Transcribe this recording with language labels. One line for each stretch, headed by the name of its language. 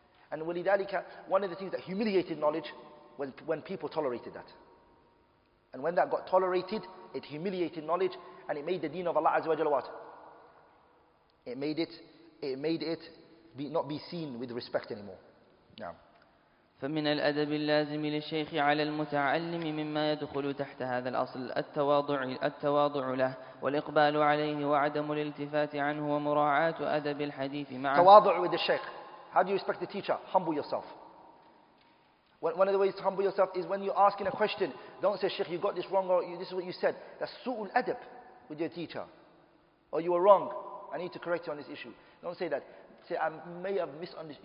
English: And walidalika, one of the things that humiliated knowledge was when people tolerated that. And when that got tolerated, it humiliated knowledge and it made the deen of Allah Azza wa Jalla what? It made it be, not be seen with respect anymore. Now.
Arabic: فمن الأدب اللازم للشيخ على المتعلم مما يدخل تحت هذا الأصل التواضع له والإقبال عليه وعدم الالتفات عنه ومراعاة أدب الحديث معه.
English: تواضع with the Shaykh. How do you respect the teacher? Humble yourself. One of the ways to humble yourself is when you're asking a question, don't say, Shaykh, you got this wrong, or this is what you said. That's su'ul adab with your teacher. Or you were wrong. I need to correct you on this issue. Don't say that. Say, I may have misunderstood.